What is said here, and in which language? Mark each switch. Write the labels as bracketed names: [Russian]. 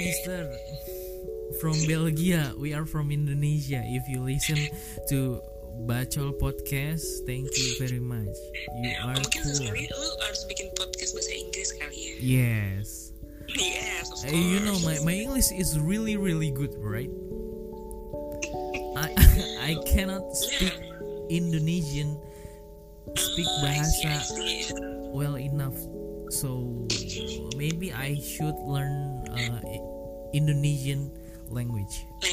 [English] Mister, from Belgia, we are from Indonesia. If you listen to Bacol podcast, thank you very much. You are [Indonesian] mungkin [English] cool. [Indonesian] Mungkin sekali lu harus bikin podcast bahasa Inggris kali ya? [English] Yes. Yes, of course. You know my English is really really good, right? I cannot speak. Yeah. Indonesian speak bahasa well enough, so maybe I should learn Indonesian language.